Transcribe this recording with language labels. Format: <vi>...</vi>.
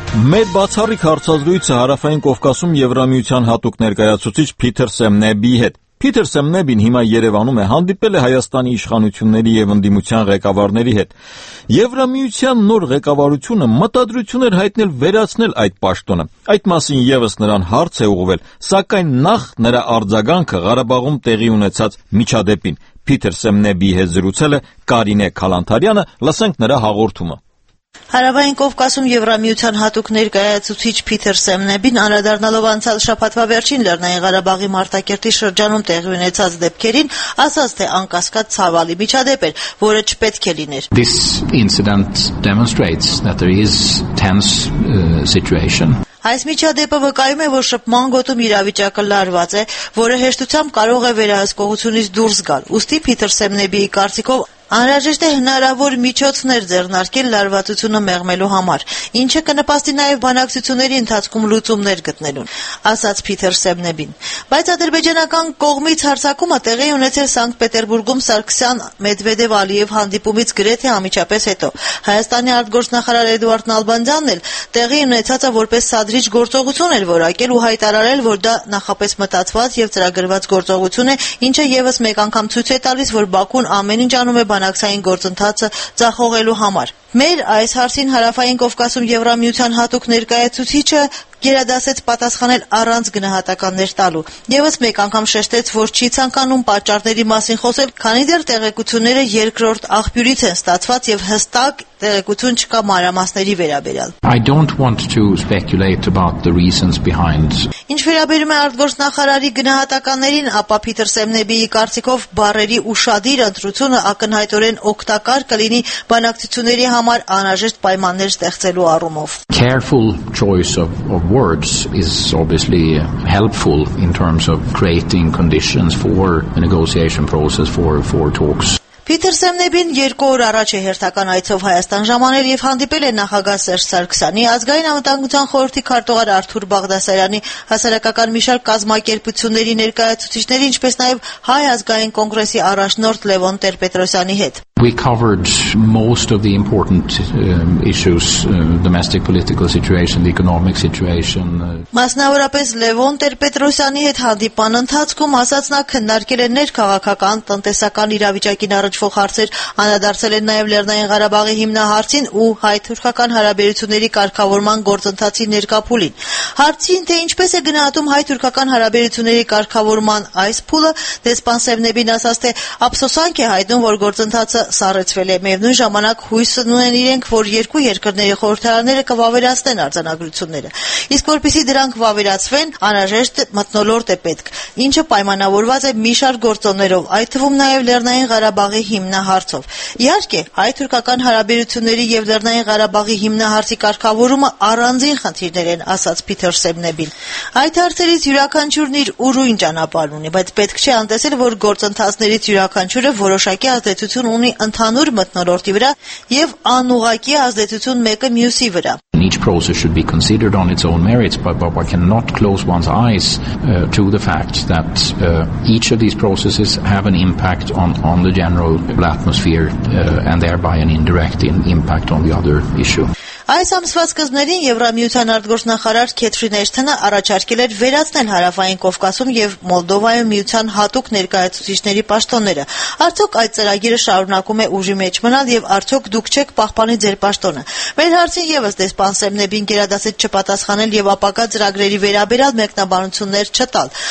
<hy>Մեր բացառիկ հարցազրույցը Հարավային Կովկասում Եվրամիության հատուկ ներկայացուցիչ Փիթեր Սեմնեբի հետ։ Փիթեր Սեմնեբին հիմա Երևանում է, հանդիպել է Հայաստանի իշխանությունների և ընդդիմության ղեկավարների հետ։ Եվրամիության նոր ղեկավարությունը մտադրություն էր հայտնել վերացնել այդ պաշտոնը։ Այդ մասին ևս նրան հարց է ուղղվել, սակայն նախ նրա արձագանքը Ղարաբաղում տեղի ունեցած միջադեպին։ Փիթեր Սեմնեբի հետ զրուցել է Կարինե Քալանթարյանը, լսենք նրա հաղորդումը։ Հարավային Կովկասում Եվրամիության հատուկ ներկայացուցիչ Փիթեր Սեմնեբին, անդրադառնալով անցյալ շաբաթվա վերջին Լեռնային Ղարաբաղի Մարտակերտի շրջանում տեղի ունեցած դեպքերին, ասաց, թե անկասկած ցավալի միջադեպ էր, որը չպետք է լիներ։</hy> <en>This incident demonstrates that there is tense situation.</en> <hy>Այս միջադեպը վկայում է, որ շփման գոտում իրավիճակը լարված է, որը հեշտությամբ կարող է վերահսկողությունից դուրս գալ։ Ուստի Փիթեր Սեմնեբիի կարծիքով անհրաժեշտ է հնարավոր միջոցներ ձեռնարկել լարվածությունը մեղմելու համար, ինչը կնպաստի նաև բանակցությունների ընթացքում լուծումներ գտնելուն, ասաց Փիթեր Սեմնեբին։ Բայց ադրբեջանական կողմից հարձակումը տեղի ունեցել Սանկտ Պետերբուրգում Սարգսյան Մեդվեդև Ալիև հանդիպումից գրեթե ամիջապես հետո։ Հայաստանի արտգործնախարար Էդուարդ Նալբանդյանն էլ տեղի ունեցածը որպես սադրիչ գործողություն էր որակել ու հայտարարել, որ դա նախապես մտածված և ծրագրված գործողություն է, ինչը ևս մեկ անգամ ցույց է տալիս, որ Բաքուն ամեն ինչ անում է բանակցային գործընթացը ձախողելու համար։ Մեր այս հարցին Հարավային Կովկասում Եվրամիության հատուկ ներկայացուցիչը գերադասեց պատասխանել առանց գնահատականներ տալու։ Եվս մեկ անգամ շեշտեց, որ չի ցանկանում պատճառների մասին խոսել, քանի դեռ տեղեկությունները երկրորդ աղբյուրից են ստացված և հստակ տեղեկություն չկա մանրամասների վերաբերյալ։</hy> <en>I don't want to speculate about the reasons behind.</en> <hy>Ինչ վերաբերում է արտգործնախարարի գնահատականներին, ապա Փիթեր Սեմնեբիի կարծիքով բարերի ուշադիր ընտրությունը ակնհայտորեն օգտակար կլինի բանակցությունների համար անհրաժեշտ պայմաններ ստեղծելու առումով։</hy> <en>Careful choice of words is obviously helpful in terms of creating conditions for a negotiation process for talks.</en> <hy>Փիթեր Սեմնեբին երկու օր առաջ է հերթական այցով Հայաստան ժամանել և հանդիպել է նախագահ Սերժ Սարգսյանի, ազգային անվտանգության խորհրդի քարտուղար Արթուր Բաղդասարյանի, հասարակական մի շարք կազմակերպությունների ներկայացուցիչների, ինչպես նաև հայ ազգային կոնգրեսի առաջնորդ Լևոն Տեր-Պետրոսյանի հետ։</hy> <en>We covered most of the important issues, domestic political situation, the economic situation.</en> <hy>Մասնավորապես Լևոն Տեր-Պետրոսյանի հետ հանդիպան ընթացքում ասաց նա քննարկել է ներքաղաքական, տնտեսական իրավիճակին առնչվող հարցեր, անդրադարձել է նաև Լեռնային Ղարաբաղի հիմնահարցին ու հայ-թուրքական հարաբերությունների կարգավորման գործընթացի ներկապուլին։ Հարցին, թե ինչպես է գնահատում հայ-թուրքական հարաբերությունների կարգավորման այս փուլը, դեսպան Սեմնեբին ասաց, թե ափսոսանք է հայտնում, որ գործընթաց սարեցվել է, միևնույն ժամանակ հույսն ունեն իրենք, որ երկու երկրների խորհրդարանները կվավերացնեն արձանագրությունները, իսկ որպեսզի դրանք վավերացվեն, անհրաժեշտ մթնոլորտ է պետք, ինչը պայմանավորված է մի շարք գործոններով, այդ թվում նաև Լեռնային Ղարաբաղի հիմնահարցով։ Իհարկե, հայ-թուրքական հարաբերությունների և Լեռնային Ղարաբաղի հիմնահարցի կարգավորումը առանձին խնդիրներ են, ասաց Փիթեր Սեմնեբին։ Այդ հարցերից յուրաքանչյուրն իր ուրույն ճանապարհ ունի, բայց պետք չէ անտեսել, որ գործընթացներից յուրաքանչյուրը որոշակի ազդեցություն ունի ընդհանուր մթնոլորտի վրա և անուղակի ազդեցություն մեկը մյուսի վրա։</hy> <en>And each process should be considered on its own merits, but one cannot close one's eyes to the fact that each of these processes have an impact on the general atmosphere and thereby an indirect impact on the other issue.</en> <hy>Այս ամսված սկզբներին Եվրամիության արտգործնախարար Քեթրին Էշթենը առաջարկել էր վերացնել Հարավային Կովկասում և Մոլդովայում միության հատուկ ներկայացուցիչների պաշտոնները։ Արդյոք այդ ծրագիրը շարունակում է ուժի մեջ մնալ և արդյոք դուք չեք պահպանի ձեր պաշտոնը։ Մեր հարցին ևս դեսպան Սեմնեբին գերադասեց չպատասխանել և ապագա ծրագրերի վերաբերյալ մեկնաբանություններ չտալ։</hy>